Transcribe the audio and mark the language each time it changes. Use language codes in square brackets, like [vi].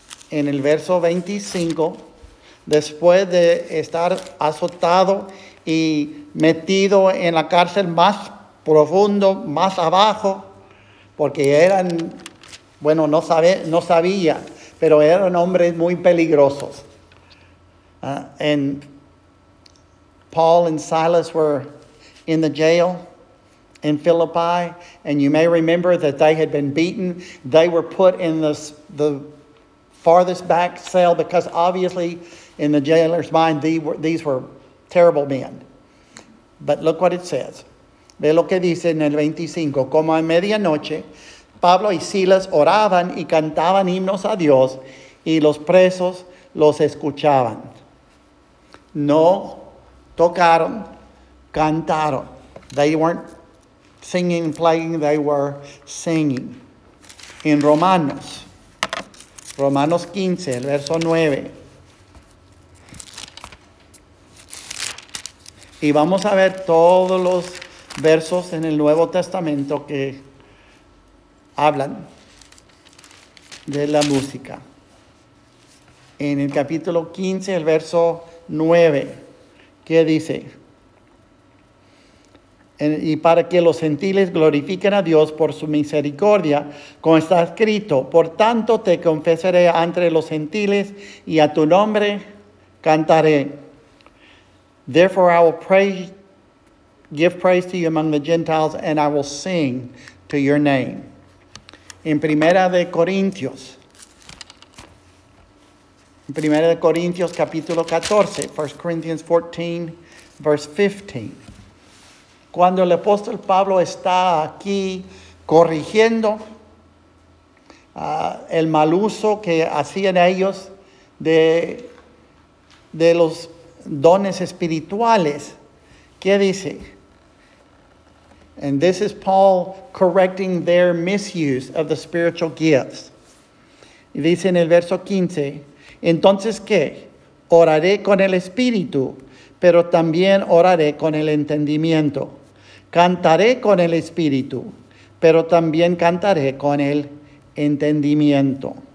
[es] En el verso 25, después de estar azotado y metido en la cárcel más profundo, más abajo, porque eran, bueno, no sabía, pero eran hombres muy peligrosos. [en] And Paul and Silas were in the jail in Philippi, and you may remember that they had been beaten. They were put in the farthest back cell because obviously in the jailer's mind, these were terrible men. But look what it says. [es] Ve lo que dice en el 25. Como a medianoche, Pablo y Silas oraban y cantaban himnos a Dios y los presos los escuchaban. No tocaron, cantaron. [en] They weren't singing and playing, they were singing. [es] En Romanos 15, el verso 9. Y vamos a ver todos los versos en el Nuevo Testamento que hablan de la música. En el capítulo 15, el verso 9, ¿qué dice? Y para que los gentiles glorifiquen a Dios por su misericordia, como está escrito, por tanto te confesaré entre los gentiles y a tu nombre cantaré. [en] Therefore I will give praise to you among the Gentiles and I will sing to your name. [es] En Primera de Corintios capítulo 14, [en] 1 Corinthians 14, verse 15. [es] Cuando el apóstol Pablo está aquí corrigiendo el mal uso que hacían ellos de los dones espirituales. ¿Qué dice? [en] And this is Paul correcting their misuse of the spiritual gifts. [es] Y dice en el verso 15, entonces, ¿qué? Oraré con el espíritu, pero también oraré con el entendimiento. Cantaré con el espíritu, pero también cantaré con el entendimiento.